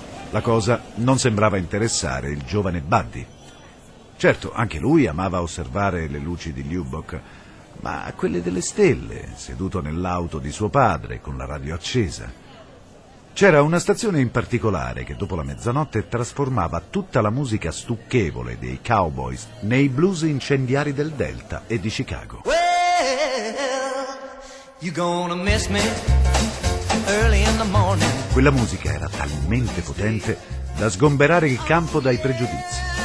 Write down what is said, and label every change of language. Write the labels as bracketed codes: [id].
[it] La cosa non sembrava interessare il giovane Buddy. Certo, anche lui amava osservare le luci di Lubbock, ma quelle delle stelle, seduto nell'auto di suo padre con la radio accesa. C'era una stazione in particolare che dopo la mezzanotte trasformava tutta la musica stucchevole dei Cowboys nei blues incendiari del Delta e di Chicago. [en] Well, you're gonna miss me early in the morning. [it] Quella musica era talmente potente da sgomberare il campo dai pregiudizi.